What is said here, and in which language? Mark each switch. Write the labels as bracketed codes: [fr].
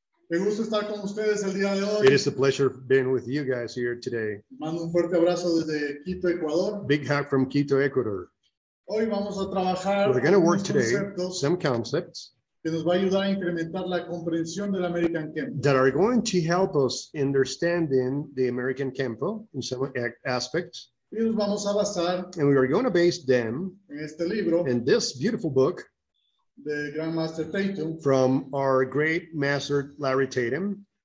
[es] Me gusta estar con ustedes el día de hoy. [en] It is a pleasure being with you guys here today. [es] Mando un fuerte abrazo desde Quito, Ecuador. [en] Big hug from Quito, Ecuador. [es] Hoy vamos a trabajar [en] We're going to work today some concepts [es] que nos va a ayudar a incrementar la comprensión del American Kempo. [en] That are going to help us understanding the American Kempo in some aspects. [es] Y nos vamos a basar [en] and we are going to base them [es] en este libro, [en] in this beautiful book the Grand Master Tatum. From our great master, Larry Tatum.